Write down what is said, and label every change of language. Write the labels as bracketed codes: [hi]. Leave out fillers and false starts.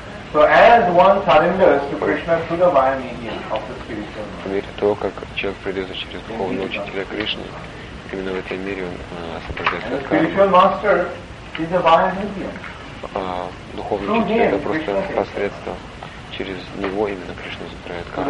[en] So as one surrenders to Krishna through the via medium of the spiritual [ru] world. По мере того, как человек придется через духовного учителя Кришны, именно в этом мире он освобождается от кармы. [en] Spiritual master is a via medium. [ru] А духовный учитель — это просто посредство. Через него именно Кришна забирает карму.